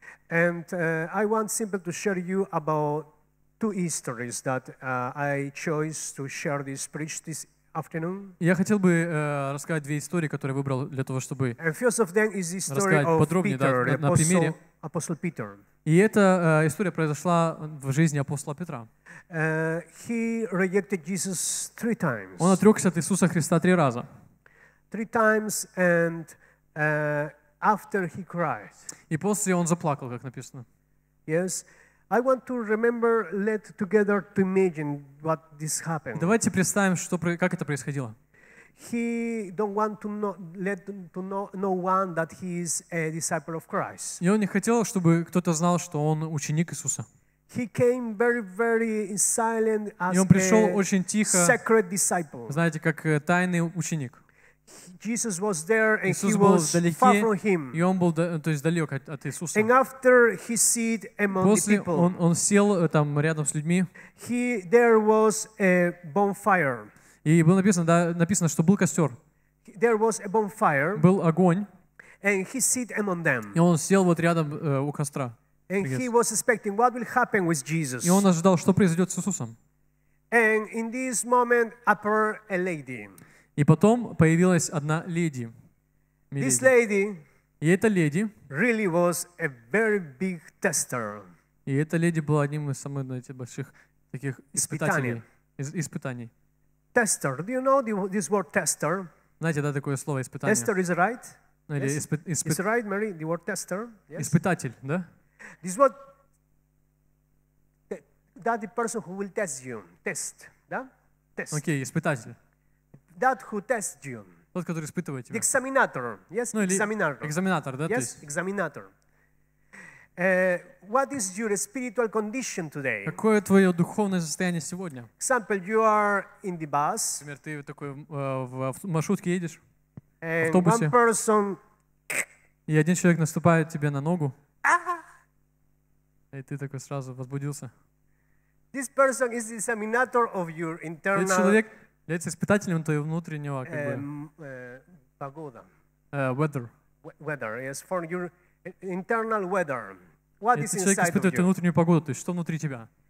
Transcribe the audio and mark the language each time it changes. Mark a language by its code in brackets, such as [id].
[en] And I want simply to share you about two histories that I chose to share this preach this afternoon. [ru] Я хотел бы рассказать две истории, которые выбрал для того, чтобы рассказать подробнее, [en] Peter, [ru] да, на примере. Апостол Питер. И эта история произошла в жизни апостола Петра. [en] He rejected Jesus three times. [ru] Он отрекся от Иисуса Христа три раза. [en] Three times and after he cried. [ru] И после он заплакал, как написано. [en] Yes, I want to remember, let together to imagine what this happened. [ru] Давайте представим, что как это происходило. [en] He don't want to know, let to know no one that he is a disciple of Christ. [ru] И он не хотел, чтобы кто-то знал, что он ученик Иисуса. [en] He came very, very silent as [ru] И он пришел очень тихо, [en] secret disciple. [ru] Знаете, как тайный ученик. [en] Jesus was there and [ru] Иисус [en] he was [ru] вдалеке, [en] far from him. [ru] И он был, то есть, далек от Иисуса. [en] And after he seated among [ru] После [en] the people, [ru] он сел там рядом с людьми. [en] He there was a bonfire. [ru] И было написано, да, написано, что был костер. [en] There was a bonfire, [ru] был огонь. [en] And he sat among them. [ru] И он сел вот рядом у костра. [en] And he was expecting what will happen with Jesus. [ru] И он ожидал, что произойдет с Иисусом. [en] And in this moment appeared a lady. [ru] И потом появилась одна леди. [en] This lady, [ru] и эта леди [en] really was a very big tester. [ru] И эта леди была одним из самых, знаете, больших таких испытаний. [en] Tester, do you know this word tester? [ru] Знаете, да, такое слово испытание. [en] Tester is right. Yes. Is right, Mary, the word tester. [ru] Yes. Испытатель, да? [en] This word that the person who will test you, test, да? Test. [ru] Окей, okay, испытатель. [en] That who tests you. [ru] Тот, который испытывает тебя. [en] The examinator, yes, examinator. Examinator, да? Yes, examinator. What is your spiritual condition today? [ru] Какое твое духовное состояние сегодня? [en] Example, you are in the bus. [ru] Например, ты такой в маршрутке едешь, в автобусе. [en] One person. [ru] И один человек наступает тебе на ногу. Ага. И ты такой сразу возбудился. [en] This person is the examiner of your internal. [ru] Этот человек является испытателем твоего внутреннего как бы. Погода. [en] Weather. Weather. Yes, for your internal weather. What is inside of you? [ru] Испытывает твою внутреннюю погоду, то есть что внутри тебя?